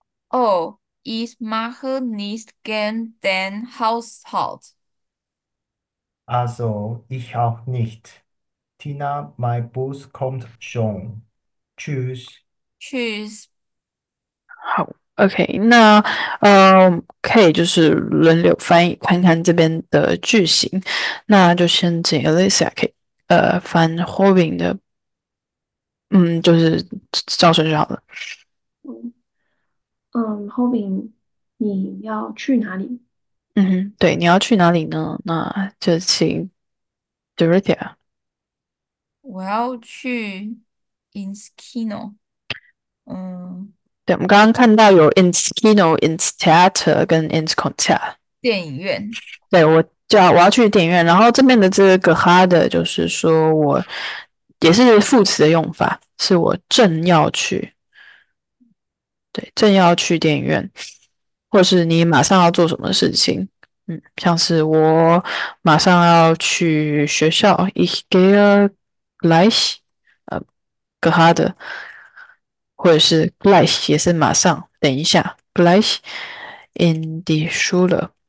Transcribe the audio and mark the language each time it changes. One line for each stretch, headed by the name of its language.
German: Oh, ich mache nicht gern den Haushalt. Also, ich auch nicht. Tina, mein Bus kommt schon. Tschüss. Tschüss.
Chinese: 好，OK，那可以就是轮流翻译，看看这边的句型。那就先请 Alicia 可以翻 Hobin 的，就是照顺就好了。 Hobin，你要去哪里？对，你要去哪里呢？那就请 Dorothea。我要去 Inskino。我们刚刚看到有 ins kino、ins theater 跟 ins concert。电影院。对，我要去电影院。然后这边的这个 harder 就是说我也是副词的用法，是我正要去。对，正要去电影院，或是你马上要做什么事情？像是我马上要去学校，
German: ich gehe gleich，gerade。
Chinese: 或者是 gleich 也是马上，等一下，
German: gleich in die Schule。